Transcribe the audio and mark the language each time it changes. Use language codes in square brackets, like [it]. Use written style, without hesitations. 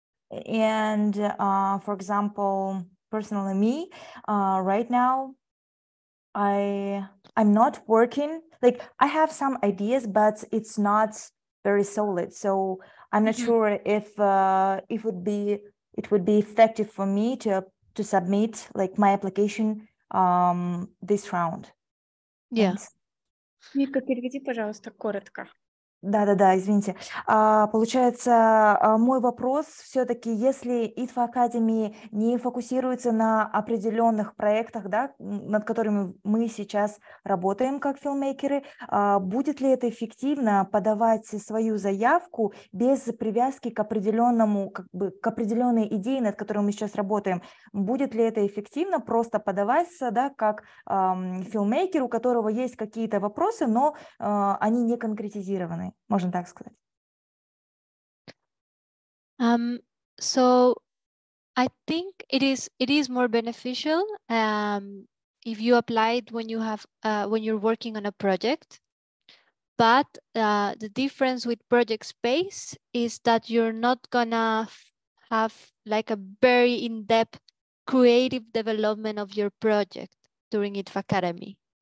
[en] And for example, personally me, right now I'm not working. I have some ideas, but it's not very solid, so I'm not mm-hmm. sure if it would be effective for me to submit my application this round. Yes. [ru] Мирка, переведи, пожалуйста, коротко. Да-да-да, извините. Получается, мой вопрос все-таки, если IDFA Academy не фокусируется на определенных проектах, да, над которыми мы сейчас работаем как филмейкеры, будет ли это эффективно подавать свою заявку без привязки к определенному, как бы, к определенной идее, над которой мы сейчас работаем? Будет ли это эффективно просто подаваться, да, как филмейкер, у которого есть какие-то вопросы, но они не конкретизированы? Можно так сказать. [en] So I think it is more beneficial if you apply it when you have when you're working on a project. But the difference with project space is that you're not gonna have like a very in-depth creative development of your project during IDFAcademy.